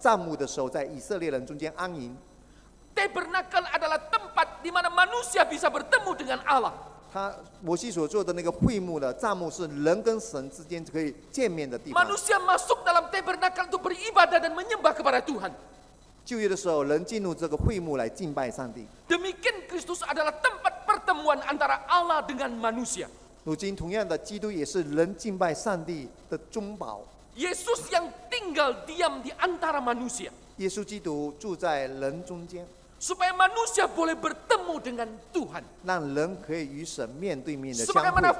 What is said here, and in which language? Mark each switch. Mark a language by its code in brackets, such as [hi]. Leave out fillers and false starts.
[zh] 这个住在呢，就是跟摩西当时在出埃及记，他去铸造那个帐幕的时候，在以色列人中间安营。 [id] Tabernakel adalah tempat di mana manusia bisa bertemu dengan Allah. [zh] 他摩西所做的那个会幕的帐幕是人跟神之间可以见面的地方。 [id] Manusia masuk dalam tabernakel untuk beribadah dan menyembah kepada Tuhan. [zh] 旧约的时候，人进入这个会幕来敬拜上帝。 [id] Demikian Kristus adalah tempat pertemuan antara Allah dengan manusia. [zh] 如今同样的，基督也是人敬拜上帝的中保。Yesus [id] yang tinggal diam di antara manusia. [zh] 耶稣基督住在人中间。 [id] Supaya manusia boleh bertemu dengan Tuhan. [zh] 让人可以与神面对面的相会。 [id] Sebagaimana